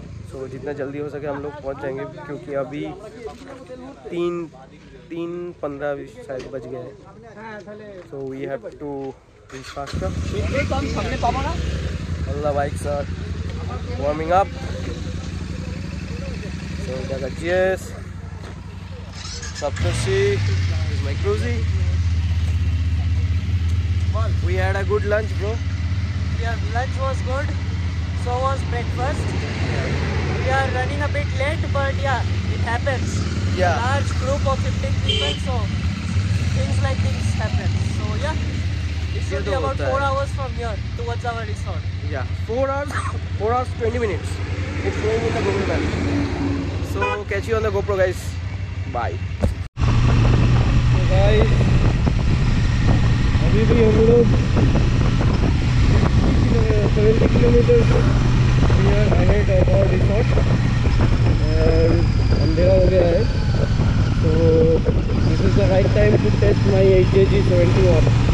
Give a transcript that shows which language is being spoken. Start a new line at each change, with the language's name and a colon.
Hindi: सो जितना जल्दी हो सके हम लोग पहुँच जाएंगे क्योंकि अभी 3:15 शायद बज गए हैं.
English: So we have to reach faster. अल्लाह bike sir warming up. So we got GS, Saptarshi, this is my cruzy. We had a good lunch, bro. Yeah, lunch was good. So was breakfast. We are running a bit late, but yeah, it happens. Yeah. Large group of 15 people, so things like bad things happen. So yeah, it should be about 4 hours from here towards our resort. Yeah, 4 hours, 4 hours 20 minutes. It's going with the GoPro guys. So catch you on the GoPro guys. Bye. So guys,
Hindi: अभी भी हम लोग
English: 70 kilometres we are ahead of our resort
Hindi: और अंधेरा हो गया है तो
English: this is the right time to test my HJG 71